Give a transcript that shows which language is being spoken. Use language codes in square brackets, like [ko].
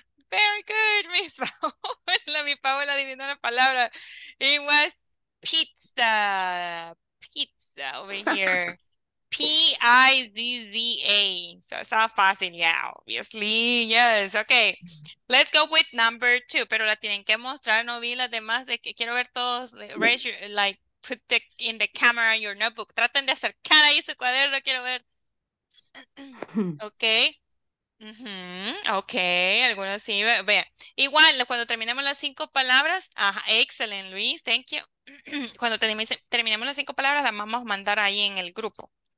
[en] Very good, Miss Paola. [es] La mi Paola adivinó la palabra. [en] It was pizza, pizza over here. P-I-Z-Z-A. So it's not fácil, yeah, obviously. Yes, okay. Let's go with number two. [es] Pero la tienen que mostrar, no vi las demás. De que quiero ver todos. [en] Raise your, like, put the, in the camera your notebook. [es] Traten de acercar ahí su cuaderno, quiero ver. Okay. Mm-hmm. Okay, algunos sí. Vean. Igual, cuando terminemos las cinco palabras. Ajá, [en] excellent, [es] Luis, [en] thank you. [es] Cuando terminemos las cinco palabras, las vamos a mandar ahí en el grupo.